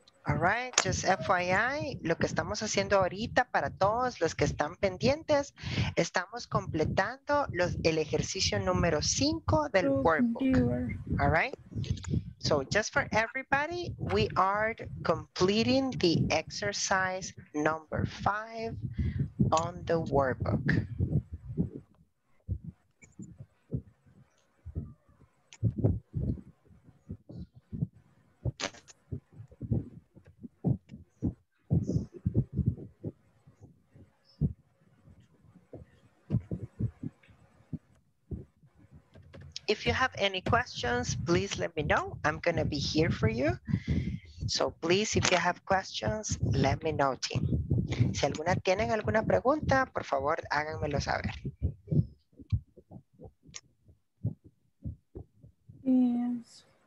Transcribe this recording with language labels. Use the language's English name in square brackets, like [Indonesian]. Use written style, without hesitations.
[English] Right, just FYI, [Spanish] lo que estamos haciendo ahorita para todos los que están pendientes, estamos completando el ejercicio número 5 del workbook. [English] All right. So just for everybody, we are completing the exercise number 5 on the workbook. If you have any questions, please let me know. I'm gonna be here for you. So please, if you have questions, let me know, team. [Spanish] Si alguna tienen alguna pregunta, por favor, háganmelo saber. Yes.